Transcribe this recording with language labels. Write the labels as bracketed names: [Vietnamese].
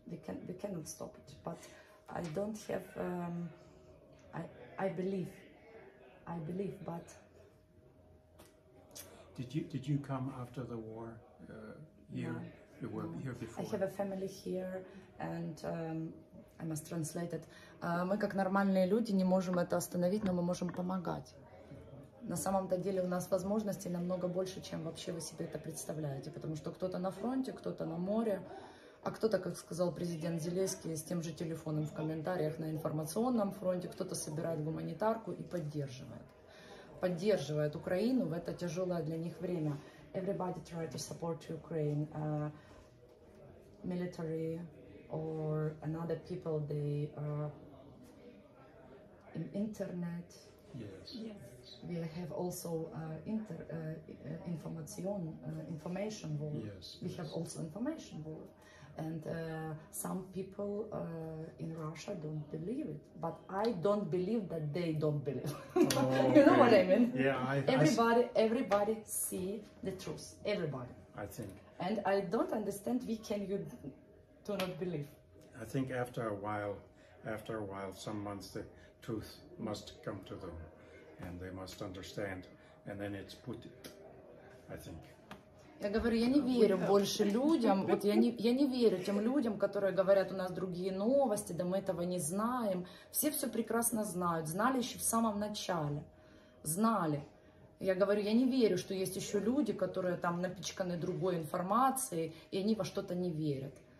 [English] We cannot stop it, but I don't have. I believe, but. Did you come after the war? Here before. I have a family here, and I must translate it. [Russian] Мы как нормальные люди не можем это остановить, но мы можем помогать. На самом-то деле у нас возможностей намного больше, чем вообще вы себе это представляете, потому что кто-то на фронте, кто-то на море, а кто-то, как сказал президент Зеленский, с тем же телефоном в комментариях на информационном фронте, кто-то собирает гуманитарку и поддерживает Украину в это тяжелое для них время. [English] Everybody try to support Ukraine, military or another people, they are in internet. Yes. We have also information board. Yes. We have also information board. And some people in Russia don't believe it, but I don't believe that they don't believe. Okay. You know what I mean? Yeah, everybody see the truth. Everybody. I think. And I don't understand. Why can you do not believe? I think after a while, some months, the truth must come to them, and they must understand, and then it's put. I think. [Russian] Я говорю, я не верю больше людям, вот я не верю тем людям, которые говорят, у нас другие новости, да мы этого не знаем. Все прекрасно знают, знали еще в самом начале, знали. Я говорю, я не верю, что есть еще люди, которые там напичканы другой информацией, и они во что-то не верят.